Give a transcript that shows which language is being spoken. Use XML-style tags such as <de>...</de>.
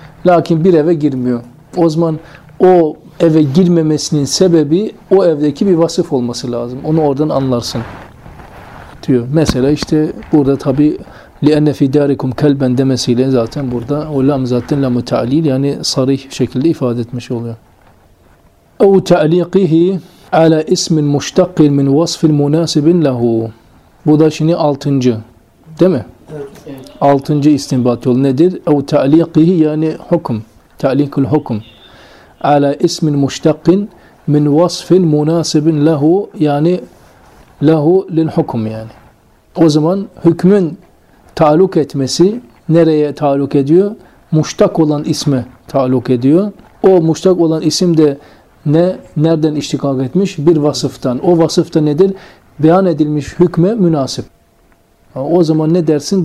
<tr>Lakin bir eve girmiyor. O zaman o eve girmemesinin sebebi o evdeki bir vasıf olması lazım. Onu oradan anlarsın diyor. Mesela işte burada tabi</tr> <ar>لِأَنَّ فِي دَارِكُمْ كَلْبًا</ar> <tr>demesiyle zaten burada o lam zaten lam-ı ta'lil yani sarih şekilde ifade etmiş oluyor.</tr> <ar>اَوْ تَعْلِقِهِ عَلَى اِسْمٍ مُشْتَقٍ مِنْ وَصْفٍ مُنَاسِبٍ لَهُ</ar> <tr>Bu da şimdi altıncı. Değil mi? Evet. Altıncı istinbat yolu nedir?</tr> <ar>اَوْ تَعْلِقِهِ</ar> <tr>yani hukum.</tr> <ar>تَعْلِقُ الْحُكُمْ عَلَى اِسْمٍ مُشْتَقٍ مِنْ وَصْفٍ مُنَاسِبٍ لَهُ yani لَهُ لِلْحُكُمْ yani.</ar> <tr>O zaman hükmün taluk etmesi nereye taluk ediyor? Muştak olan isme taluk ediyor. O muştak olan isim de ne nereden iştikak etmiş? Bir vasıftan. O vasıf da nedir? Beyan edilmiş hükme münasip. O zaman ne dersin?</tr>